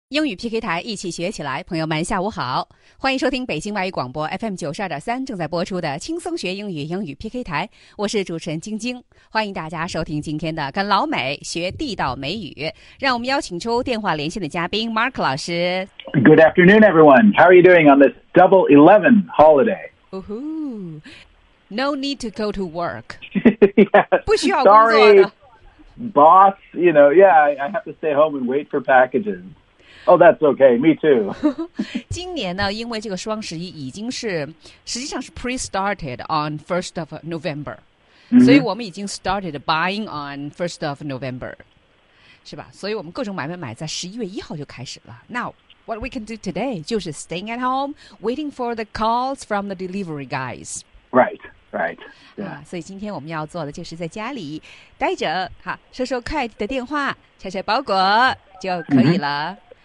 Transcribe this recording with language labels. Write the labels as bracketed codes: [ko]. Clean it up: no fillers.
[zh] 英语 PK 台，一起学起来。朋友们下午好，欢迎收听北京外语广播 FM92.3 正在播出的轻松学英语英语 PK 台，我是主持人晶晶，欢迎大家收听今天的跟老美学地道美语。让我们邀请出电话连线的嘉宾 Mark 老师。 [en] Good afternoon everyone, how are you doing on this double 11 holiday? No need to go to work. Yeah, [zh] 不需要工作的 [en] sorry, boss, you know, I have to stay home and wait for packages. Oh, that's okay. Me too. [zh] 今年呢，因为这个双十一已经是实际上是 [en] pre-started on 1st of November,、 [zh] 所以我们已经 [en] started buying on 1st of November, [zh] 是吧？所以我们各种买买买在11月1号就开始了。 [en] Now, what we can do today [zh] 就是 [en] staying at home, waiting for the calls from the delivery guys. Right, right.、Yeah. [zh] 所以今天我们要做的就是在家里待着，哈，收收快递的电话，拆拆包裹就可以了。